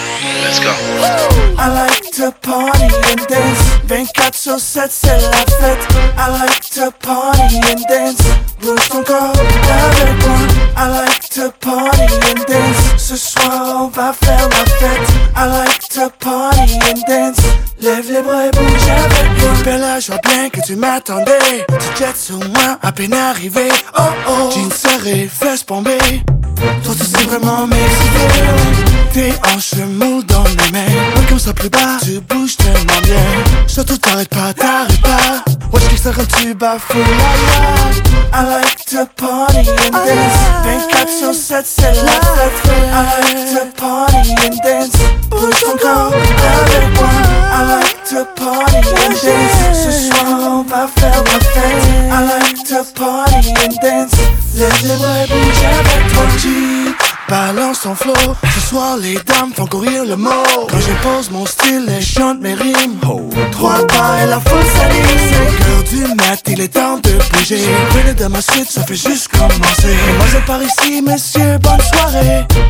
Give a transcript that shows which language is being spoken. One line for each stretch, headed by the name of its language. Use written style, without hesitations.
English: I like to party and dance.
French: Vent quatre sur 7, c'est la fête.
English: I like to party and dance.
French: Roule ton corps avec moi.
English: I like to party and dance.
French: Ce soir on va faire la fête.
English: I like to party and dance.
French: Lève les bras et bouge avec moi. Bella, je vois bien que tu m'attendais. Petit jet sur moi, à peine arrivé. Oh oh, jeans serrés, fesses bombées. Toi tu sais vraiment m'exciter. Tes hanches moules dans mes mains. Mais comme ça plus bas, tu bouges tellement bien. Surtout t'arrêtes pas, t'arrêtes pas. Watch qui sera quand tu bafoues.
English: La la, I like to party and dance.
French: 24 sur 7 c'est la fête.
English: I like to party and dance.
French: Bouge ton corps avec moi.
English: I like to party and dance.
French: Ce soir on va faire la fête.
English: I like to party and dance.
French: Lève les bras et bouge avec toi. Balance ton flow. Ce soir les dames font courir le mot. Quand j'impose mon style, elles chantent mes rimes. Trois pas et la foule s'anime. 5h du mat, il est temps de bouger. Je venais de ma suite, ça fait juste commencer. Moi je pars ici, messieurs, bonne soirée.